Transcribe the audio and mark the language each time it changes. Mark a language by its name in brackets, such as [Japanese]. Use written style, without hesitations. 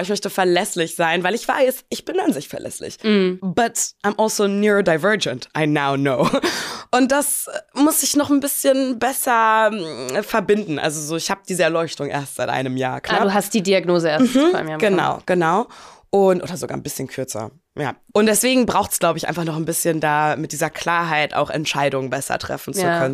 [German] Ich möchte verlässlich sein, weil ich weiß, ich bin an sich verlässlich. Mm. [English] But I'm also neurodivergent, I now know. [German] Und das muss ich noch ein bisschen besser verbinden. Also so, ich habe diese Erleuchtung erst seit einem Jahr, klar. Ah, du hast die Diagnose erst vor einem Jahr. Genau, genau. Und oder sogar ein bisschen kürzer. Ja. Und deswegen braucht es, glaube ich, einfach noch ein bisschen da mit dieser Klarheit auch Entscheidungen besser treffen zu können.